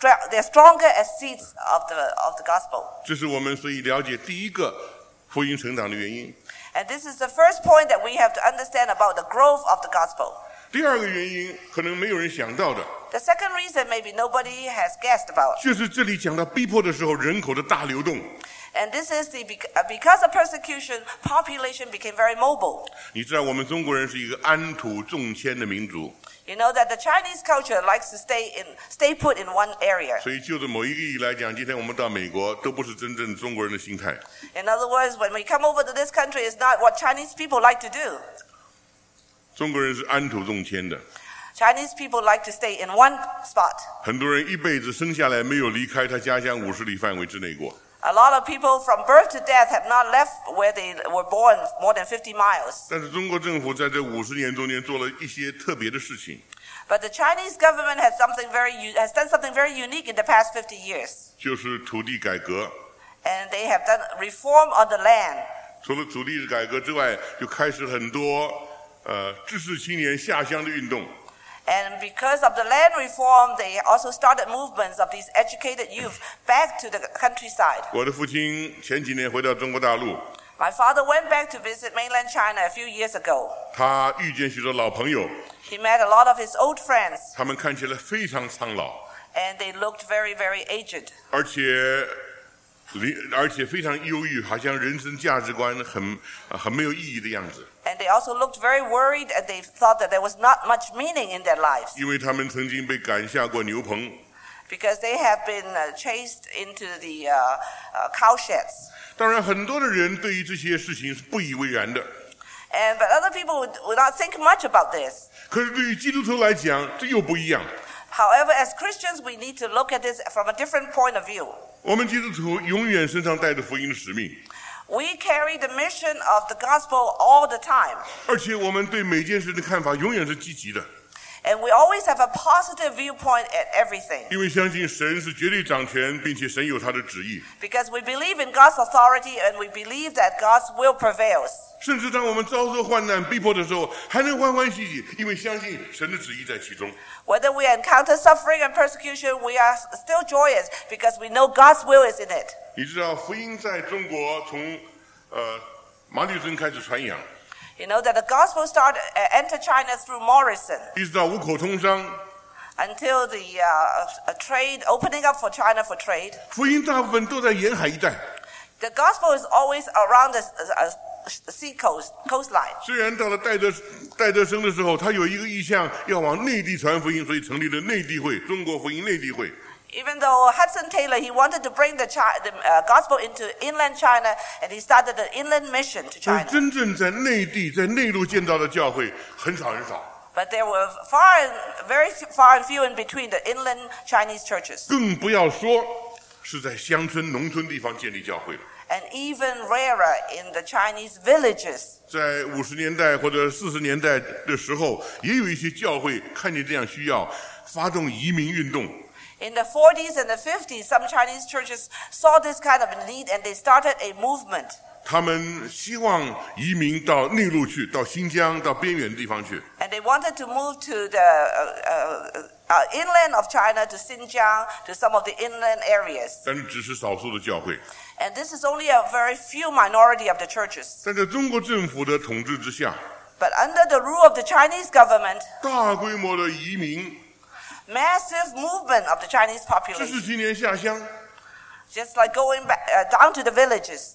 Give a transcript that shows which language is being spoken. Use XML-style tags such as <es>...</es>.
<en>They are stronger as seeds of the gospel.</en> <zh>这是我们所以了解第一个福音成长的原因。</zh> <en>And this is the first point that we have to understand about the growth of the gospel.</en> <zh>第二个原因可能没有人想到的。</zh> <en>The second reason maybe nobody has guessed about.</en> <zh>就是这里讲到逼迫的时候人口的大流动。</zh> <en>And this is because of persecution, population became very mobile.</en> <zh>你知道我们中国人是一个安土重迁的民族。</zh> <en>You know that the Chinese culture likes to stay put in one area.</en> <zh>所以就着某一个意义来讲，今天我们到美国都不是真正中国人的心态。</zh> <en>In other words, when we come over to this country, it's not what Chinese people like to do.</en> <zh>中国人是安土重迁的。</zh> <en>Chinese people like to stay in one spot.</en> <zh>很多人一辈子生下来没有离开他家乡五十里范围之内过。</zh> <en>A lot of people from birth to death have not left where they were born more than 50 miles.</en> <zh>但是中国政府在这五十年中间做了一些特别的事情。</zh> <en>But the Chinese government has done something very unique in the past 50 years.</en> <zh>就是土地改革。</zh> <en>And they have done reform on the land.</en> <zh>除了土地改革之外，就开始很多知识青年下乡的运动。</zh> <en>And because of the land reform, they also started movements of these educated youth back to the countryside.</en> <zh>我的父亲前几年回到中国大陆。</zh> <en>My father went back to visit mainland China a few years ago.</en> <zh>他遇见许多老朋友。</zh> <en>He met a lot of his old friends.</en> <zh>他们看起来非常苍老。</zh> <en>And they looked very, very aged.</en> <zh>而且非常忧郁，好像人生价值观很没有意义的样子。</zh> <en>And they also looked very worried, and they thought that there was not much meaning in their lives.</en> <zh>因为他们曾经被赶下过牛棚。</zh> <en>Because they have been chased into the cow sheds.</en> <zh>当然，很多的人对于这些事情是不以为然的。</zh> <en>But other people would not think much about this.</en> <zh>可是对于基督徒来讲，这又不一样。</zh> <en>However, as Christians, we need to look at this from a different point of view.</en> <zh>我们基督徒永远身上带着福音的使命。</zh> <en>We carry the mission of the gospel all the time.</en> <zh>而且我们对每件事的看法永远是积极的。</zh> <en>And we always have a positive viewpoint at everything.</en> <zh>因为相信神是绝对掌权，并且神有他的旨意。</zh> <en>Because we believe in God's authority and we believe that God's will prevails.</en> <zh>甚至当我们遭受患难逼迫的时候，还能欢欢喜喜，因为相信神的旨意在其中。</zh> <en>Whether we encounter suffering and persecution, we are still joyous because we know God's will is in it.</en> <zh>你知道福音在中国从马里尊开始传扬。</zh> <en>You know that the gospel entered China through Morrison.</en> <zh>一直到五口通商。</zh> <en>Until the trade opening up for China for trade.</en> <zh>福音大部分都在沿海一带。</zh> <en>The gospel is always around the sea coastline.</en> <zh>虽然到了戴德生的时候，他有一个意向要往内地传福音，所以成立了内地会，中国福音内地会。</zh> <en>Even though Hudson Taylor, he wanted to bring the gospel into inland China, and he started the inland mission to China.</en> <zh>真正在内地在内陆建造的教会很少很少。</zh> <en>But there were foreign, very far and few in between the inland Chinese churches.</en> <zh>更不要说是在乡村农村地方建立教会了。</zh> <en>And even rarer in the Chinese villages.</en> <zh>在五十年代或者四十年代的时候，也有一些教会看见这样需要，发动移民运动。</zh> <en>In the 40s and the 50s, some Chinese churches saw this kind of need and they started a movement.</en> <zh>他们希望移民到内陆去，到新疆，到边远的地方去。</zh> <en>And they wanted to move to the inland of China, to Xinjiang, to some of the inland areas.</en> <zh>但只是少数的教会。</zh> <en>And this is only a very few minority of the churches.</en> <zh>但在中国政府的统治之下。</zh> <en>But under the rule of the Chinese government,</en> <zh>大规模的移民。</zh> <en>Massive movement of the Chinese population.</en> <zh>四十几年下乡。</zh> <en>Just like going back, down to the villages.</en>